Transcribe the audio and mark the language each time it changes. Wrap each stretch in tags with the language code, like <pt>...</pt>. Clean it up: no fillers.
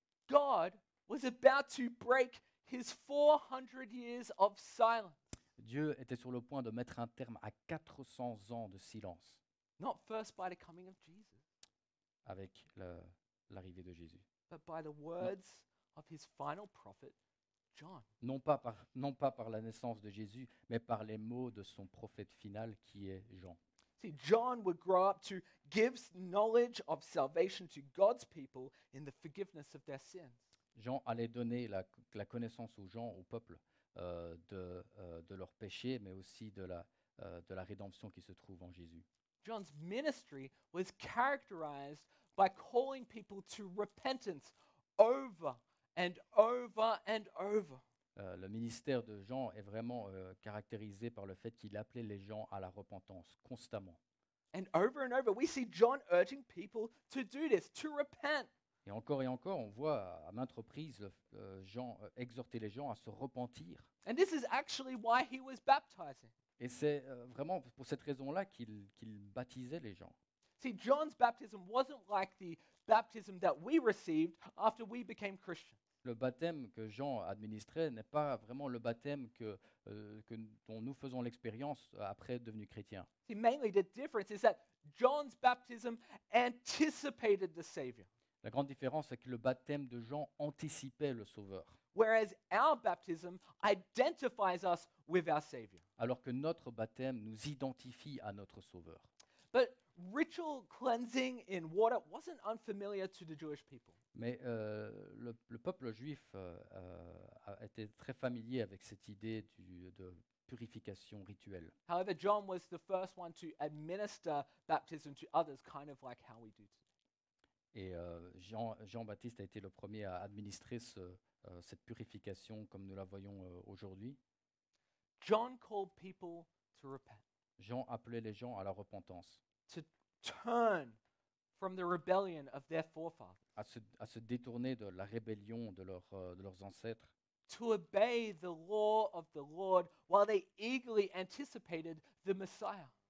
<en>God was about to break his 400 years of silence.</en> <fr>Dieu était sur le point de mettre un terme à 400 ans de silence.</fr> <en>Not first by the coming of Jesus.</en> <fr>Avec l'arrivée de Jésus.</fr> <en>But by the words of his final prophet, John.</en> <fr>Non pas par la naissance de Jésus, mais par les mots de son prophète final qui est Jean.</fr> <en>See, John would grow up to give knowledge of salvation to God's people in the forgiveness of their sins.</en> <fr>Jean allait donner la connaissance aux gens, au peuple, de leur péché, mais aussi de la rédemption qui se trouve en Jésus.</fr> <en>John's ministry was characterized by calling people to repentance over and over and over.</en> <fr>Le ministère de Jean est vraiment caractérisé par le fait qu'il appelait les gens à la repentance constamment.</fr> <en>And over and over, we see John urging people to do this, to repent.</en> <fr>Et encore, on voit à maintes reprises Jean exhorter les gens à se repentir.</fr> <en>And this is actually why he was baptizing.</en> <fr>Et c'est vraiment pour cette raison-là qu'il baptisait les gens.</fr> <en>See, John's baptism wasn't like the baptism that we received after we became Christians.</en> <fr>Le baptême que Jean administrait n'est pas vraiment le baptême que dont nous faisons l'expérience après devenu chrétien.</fr> <en>See, mainly the difference is that John's baptism anticipated the Savior.</en> <fr>La grande différence est que le baptême de Jean anticipait le Sauveur.</fr> <en>Whereas our baptism identifies us with our Savior.</en> <fr>Alors que notre baptême nous identifie à notre Sauveur.</fr> <en>But ritual cleansing in water wasn't unfamiliar to the Jewish people.</en> <fr>Mais le peuple juif était très familier avec cette idée de purification rituelle.</fr> <en>However, John was the first one to administer baptism to others, kind of like how we do today.</en> <fr>Et Jean-Baptiste a été le premier à administrer cette purification comme nous la voyons aujourd'hui.</fr> <en>John called people to repent.</en> <fr>Jean appelait les gens à la repentance.</fr> <en>To turn from the rebellion of their forefathers.</en> <fr>À se détourner de la rébellion de leurs ancêtres.</fr> <en>To obey the law of the Lord while they eagerly anticipated the Messiah.</en>